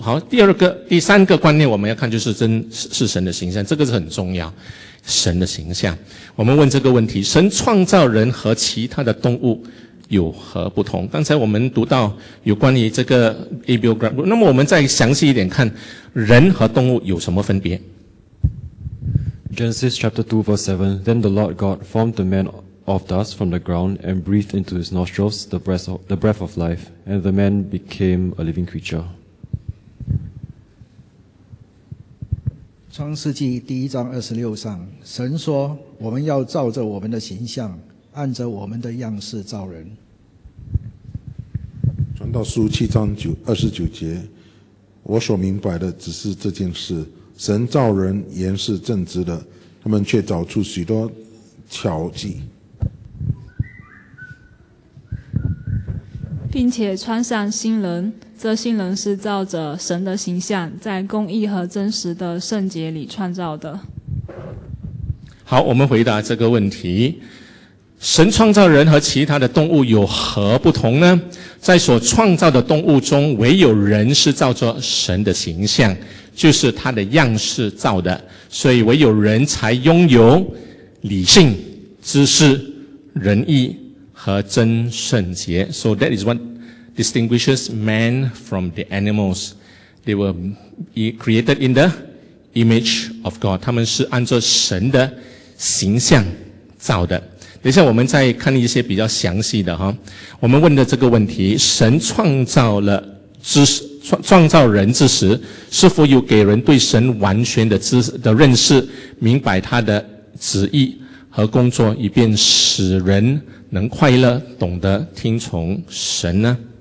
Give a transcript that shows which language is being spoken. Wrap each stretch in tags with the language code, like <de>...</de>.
<zh>好，第二个、第三个观念我们要看，就是是神的形象，这个是很重要。神的形象，我们问这个问题，神创造人和其他的动物有何不同？刚才我们读到有关于这个 ABO Grab， 那么我们再详细一点看人和动物有什么分别。</zh> <en>Genesis chapter 2 verse 7， Then the Lord God formed the man of dust from the ground and breathed into his nostrils the breath of life, and the man became a living creature。</en> <zh>创世纪第一章二十六上，神说：“我们要照着我们的形象，按着我们的样式造人。” 传道书七章九二十九节，我所明白的只是这件事：神造人原是正直的，他们却找出许多巧计，并且穿上新人，这新人是照着神的形象，在公义和真实的圣洁里创造的。好，我们回答这个问题，神创造人和其他的动物有何不同呢？在所创造的动物中，唯有人是照着神的形象，就是他的样式造的，所以唯有人才拥有理性、知识、仁义和真圣洁。</zh> <en>So that is what distinguishes man from the animals. They were created in the image of God.</en> <zh>他们是按照神的形象造的。等一下我们再看一些比较详细的，我们问的这个问题，神创造了创造人之时，是否有给人对神完全的认识，明白他的旨意和工作，以便使人能快乐，懂得听从神呢？</zh>